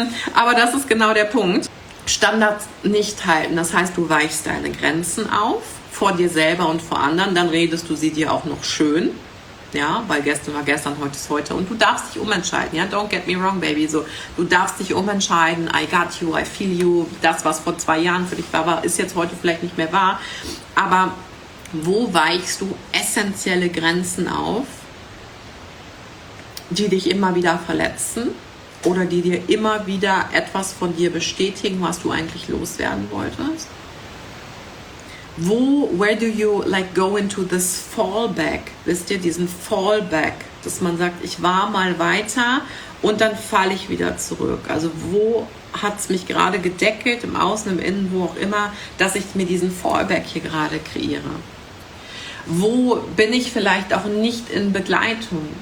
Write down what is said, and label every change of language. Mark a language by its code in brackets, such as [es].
[de] Ja, aber das ist genau der Punkt. Standards nicht halten, das heißt, du weichst deine Grenzen auf vor dir selber und vor anderen, dann redest du sie dir auch noch schön, ja, weil gestern war gestern, heute ist heute und du darfst dich umentscheiden, ja, [en] don't get me wrong, baby, [de] so, du darfst dich umentscheiden, [en] I got you, I feel you, [de] das, was vor zwei Jahren für dich war, ist jetzt heute vielleicht nicht mehr wahr, aber wo weichst du essentielle Grenzen auf, die dich immer wieder verletzen oder die dir immer wieder etwas von dir bestätigen, was du eigentlich loswerden wolltest? [en] Wo, where do you like go into this fallback? [de] Wisst ihr, diesen Fallback, dass man sagt, ich war mal weiter und dann falle ich wieder zurück. Also wo hat es mich gerade gedeckelt, im Außen, im Innen, wo auch immer, dass ich mir diesen Fallback hier gerade kreiere? Wo bin ich vielleicht auch nicht in Begleitung?